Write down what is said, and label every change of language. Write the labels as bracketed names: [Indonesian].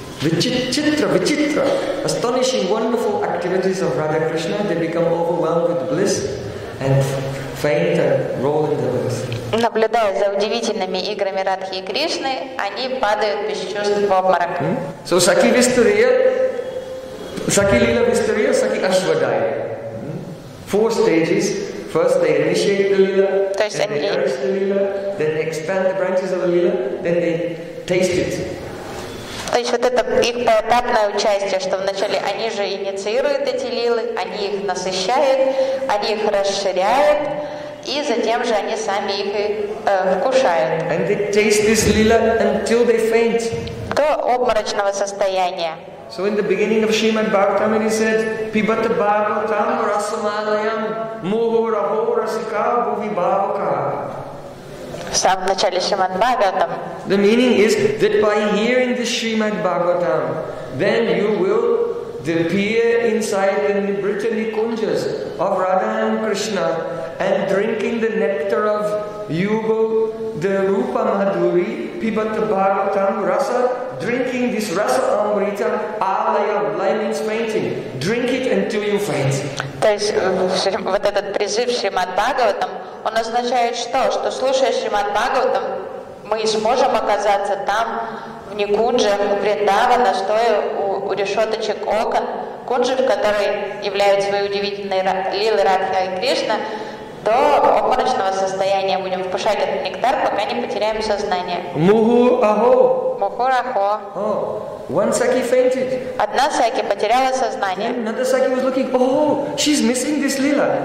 [English] Vichitra, vichitra, astonishing, wonderful activities of Radha Krishna, they become overwhelmed with bliss and faint and roll in the earth. [Russian] Наблюдая за удивительными играми Радхи и Кришны, они падают без чувств в обморок. [English] So Saki Vistariya, Saki Lila Vistariya, Saki Ashwadaya. Four stages. First they initiate the Lila, then they nourish the Lila, then they expand the branches of the Lila, then they taste it. [Russian] То есть вот это их поэтапное участие, что вначале они же инициируют эти лилы, они их насыщают, они их расширяют, и затем же они сами их вкушают. [English] And they taste this lila until they faint. [Russian] До обморочного состояния. [English] So in the beginning of Srimad Bhagavatam, he said, [Sanskrit] Pibhata Bhagavatam Rasamalayam Moho Raho Rasika Bhuvi Bhavaka. [Russian] В самом начале Шримад Бхагаватам. [English] The meaning is that by hearing the Shrimad Bhagavatam, then you will appear inside the Nibrita Nikunjas of Radha and Krishna, and drinking the nectar of Yuga, the Rupa Madhuri, Pibhata Bhagavatam Rasa, drinking this Rasa Amrita, Alaya, lime means fainting. Drink it until you faint. [Russian] То есть вот этот призыв Шримад Бхагаватам, он означает что? Что слушая Шримад Бхагаватам, мы сможем оказаться там, в Никунже, у Вриндавана, стоя у решеточек окон, кунжи, в которой являются свои удивительные лилы Радха и Кришна, до обморочного состояния будем вкушать этот нектар, пока не потеряем сознание. [Sanskrit] Муху Ахо. Муху Рахо. [English] One Saki fainted. [Russian] Одна Саки потеряла сознание. [English] Then another Saki was looking, oh, she's missing this lila.